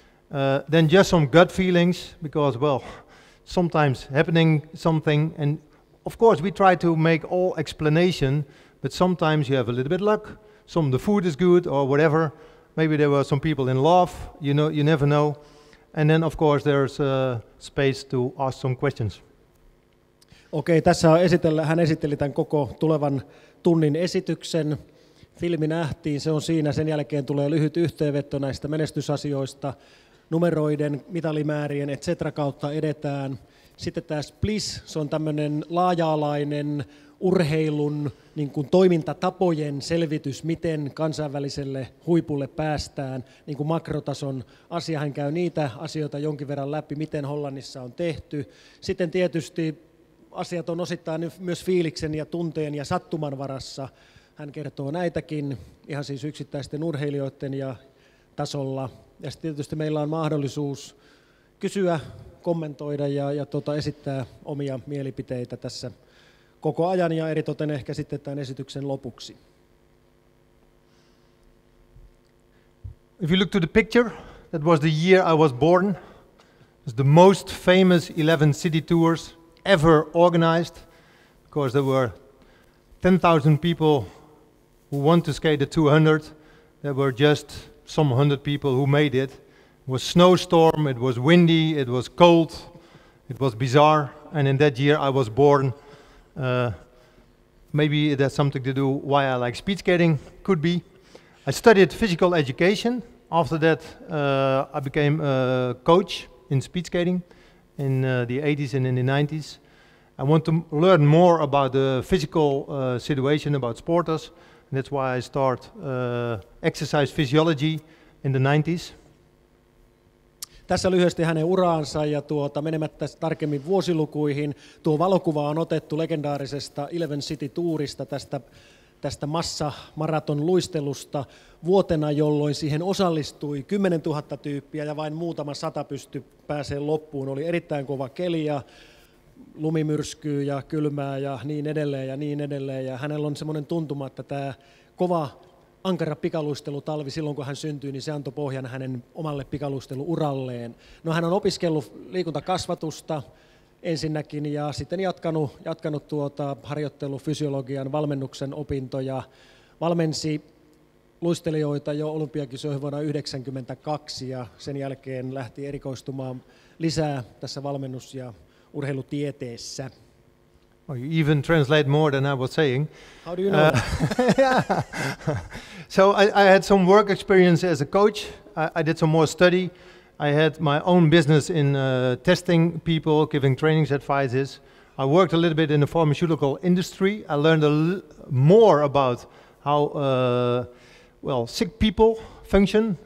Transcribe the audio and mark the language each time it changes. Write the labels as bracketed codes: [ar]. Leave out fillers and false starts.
[en] Then just some gut feelings, because, well, sometimes happening something, and of course we try to make all explanation, but sometimes you have a little bit luck, some of the food is good or whatever, maybe there were some people in love, you know, you never know. And then of course there's space to ask some questions. [fi] Okei, tässä hän esitteli tämän koko tulevan tunnin esityksen. Filmi nähtiin, se on siinä. Sen jälkeen tulee lyhyt yhteenveto näistä menestysasioista, numeroiden, mitalimäärien, etc. kautta edetään. Sitten tämä SPLIS, se on tämmöinen laaja-alainen urheilun niin kuin toimintatapojen selvitys, miten kansainväliselle huipulle päästään, niin kuin makrotason asia. Hän käy niitä asioita jonkin verran läpi, miten Hollannissa on tehty. Sitten tietysti asiat on osittain myös fiiliksen ja tunteen ja sattuman varassa. Hän kertoo näitäkin ihan siis yksittäisten urheilijoiden ja tasolla. Ja sitten tietysti meillä on mahdollisuus kysyä, kommentoida ja esittää omia mielipiteitä tässä koko ajan ja eritoten ehkä sitten tämän esityksen lopuksi. [en] If you look to the picture, that was the year I was born. It's the most famous 11 city tours ever organized, because there were 10,000 people who want to skate the 200. There were just some hundred people who made it. It was snowstorm, it was windy, it was cold, it was bizarre, and in that year I was born. Maybe it has something to do why I like speed skating, could be. I studied physical education. After that I became a coach in speed skating in the 80s and in the 90s. I want to learn more about the physical situation, about sporters, and that's why I start exercise physiology in the 90s. [fi] Tässä lyhyesti hänen uraansa ja menemättä tarkemmin vuosilukuihin. Tuo valokuva on otettu legendaarisesta 11 City Tourista, tästä massamaraton luistelusta vuotena, jolloin siihen osallistui 10 000 tyyppiä ja vain muutama sata pystyi pääsemään loppuun. Oli erittäin kova keli ja lumimyrskyä ja kylmää ja niin edelleen ja niin edelleen. Ja hänellä on semmoinen tuntuma, että tämä kova ankara pikaluistelutalvi silloin, kun hän syntyi, niin se antoi pohjan hänen omalle pikaluisteluuralleen. No, hän on opiskellut liikuntakasvatusta ensinnäkin ja sitten jatkanut harjoittelufysiologian valmennuksen opintoja. Valmensi luistelijoita jo olympiakisoihin vuonna 1992 ja sen jälkeen lähti erikoistumaan lisää tässä valmennus- ja urheilutieteessä. [en] Well, you even translate more than I was saying. How do you know? So I had some work experience as a coach. I did some more study. I had my own business in testing people, giving trainings, advices. I worked a little bit in the pharmaceutical industry. I learned more about how sick people function.